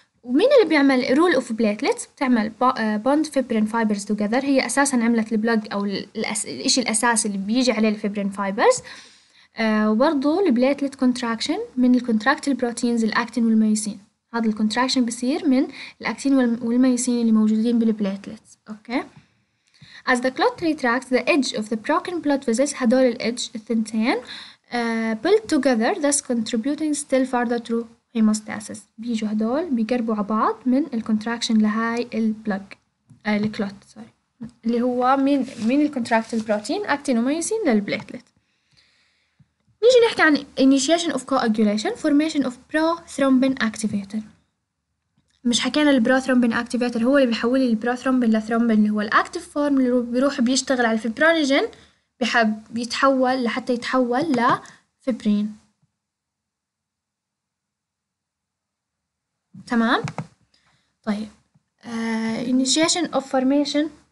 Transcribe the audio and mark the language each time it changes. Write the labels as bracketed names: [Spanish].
[Arabic] ومين اللي بيعمل رول اوف بليتلت؟ بتعمل بوند فيبرين فايبرز توجذر، هي اساسا عملت البلاج او الشيء الاساسي اللي بيجي عليه الفيبرين فايبرز. وبرضه البليتلت كونتراكشن من الكونتراكت البروتينز الاكتين والميوسين، هذا الكونتراكشن بصير من الاكتين والميوسين اللي موجودين بالبليتلت. اوكي. [English] As the clot retracts, the edge of the broken blood vessels, [Arabic] هدول ال edge الثنتين, [English] pull together, thus contributing still further to hemostasis. [Arabic] بيجوا هدول بيقربوا على بعض من ال contraction لهاي ال plug, ال clot, sorry. اللي هو من ال contract البروتين, actin وميوسين للبليتلت. نيجي نحكي عن [English] initiation of coagulation, formation of prothrombin activator. [Arabic] مش حكينا البروثرومبين اكتيفيتر هو اللي بيحول البروثرومبين لثرومبين اللي هو الاكتيف فورم، اللي بيروح بيشتغل على الفيبرونوجين بيتحول لحتى يتحول لفيبرين. تمام. طيب انيشيشن اوف فورميشن.